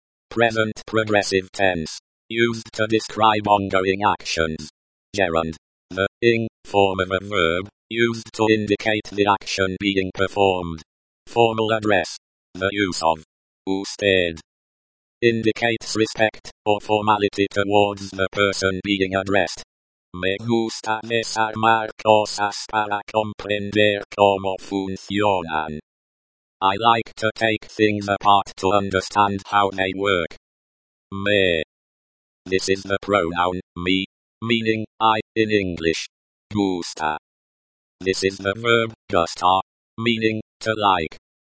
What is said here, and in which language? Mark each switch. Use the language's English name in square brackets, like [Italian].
[English] Present progressive tense. Used to describe ongoing actions. Gerund, the ing form of a verb, used to indicate the action being performed. Formal address, the use of usted, indicates respect or formality towards the person being addressed. [Spanish] Me gusta desarmar cosas para comprender cómo funcionan. [English] I like to take things apart to understand how they work. Me. This is the pronoun, me, meaning, I, in English, gusta. This is the verb, gustar, meaning, to like.